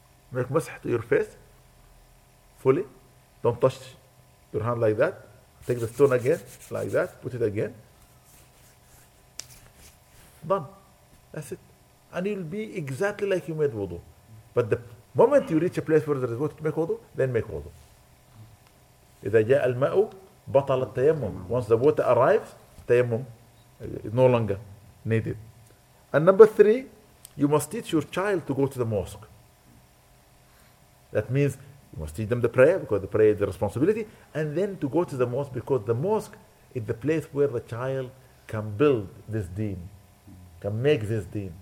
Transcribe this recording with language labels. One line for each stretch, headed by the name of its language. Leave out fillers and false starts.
English: Make mas'h to your face, fully. Don't touch your hand like that. Take the stone again, like that, put it again. Done. That's it. And you'll be exactly like you made wudu. But the moment you reach a place where there is water to make wudu, then make wudu.
Arabic: إذا جاء الماء بطل التيمم.
English: Once the water arrives, tayammum is no longer needed. And number three, you must teach your child to go to the mosque. That means you must teach them the prayer, because the prayer is the responsibility, and then to go to the mosque, because the mosque is the place where the child can build this deen, can make this deen.